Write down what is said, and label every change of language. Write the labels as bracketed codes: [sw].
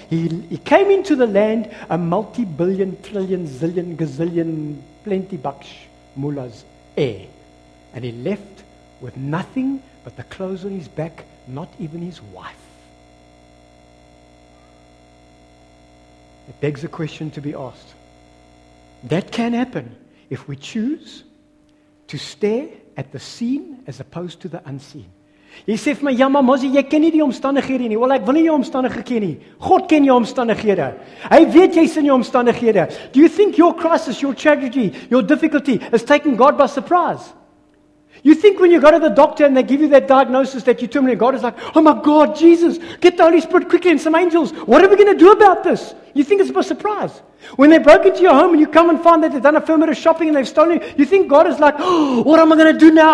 [en] He came into the land a multi-billion, trillion, zillion, gazillion, plenty bucks, mullahs, And he left with nothing but the clothes on his back, not even his wife. It begs a question to be asked. That can happen if we choose to stare at the seen as opposed to the unseen. [af] Jy sê vir my, ja maar Mosie, jy ken nie die omstandighede nie. Wel, ek wil nie jou omstandighede ken nie. God ken jou omstandighede. Hy weet jy's in jou omstandighede. [en] Do you think your crisis, your tragedy, your difficulty is taking God by surprise? You think when you go to the doctor and they give you that diagnosis that you're terminal, God is like, oh my God, Jesus, get the Holy Spirit quickly and some angels. What are we going to do about this? You think it's by surprise. When they broke into your home and you come and find that they've done a fair bit of shopping and they've stolen you, you think God is like, oh, what am I going to do now?